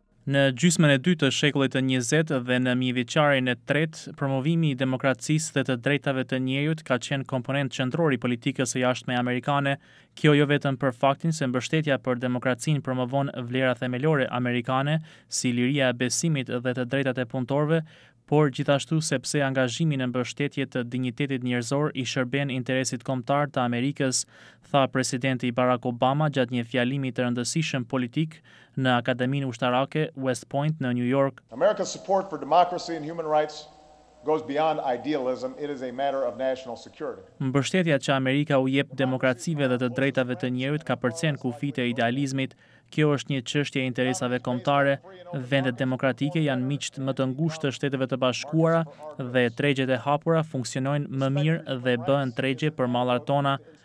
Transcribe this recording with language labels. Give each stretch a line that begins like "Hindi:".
Albanian: Në gjysmën e dytë të shekullit të 20 dhe në mjeveqarin e tretë, promovimi i demokracisë dhe të drejtave të njerëzit ka qenë komponent qendror i politikës së jashtme amerikane, kjo jo vetëm për faktin se mbështetja për demokracinë promovon vlera themelore amerikane si liria e besimit dhe të drejtat e punëtorëve, por gjithashtu sepse angazhimi në mbështetje të dinjitetit njerëzor i shërben interesit kombëtar të Amerikës, tha presidenti Barack Obama gjatë një fjalimi të rëndësishëm politik në Akademinë Ushtarake West Point në New York.
English: America's support for democracy and human rights goes beyond idealism, it is a matter of national security.
Albanian: Mbështetja që Amerika u jep demokracive dhe të drejtave të njerëzit ka përcjen kufit e idealizmit. Kjo është një çështje interesave kombëtare. Vendet demokratike janë miqtë më të ngushtë të Shteteve të Bashkuara dhe tregjet e hapura funksionojnë më mirë dhe bëhen tregje për mallrat tona.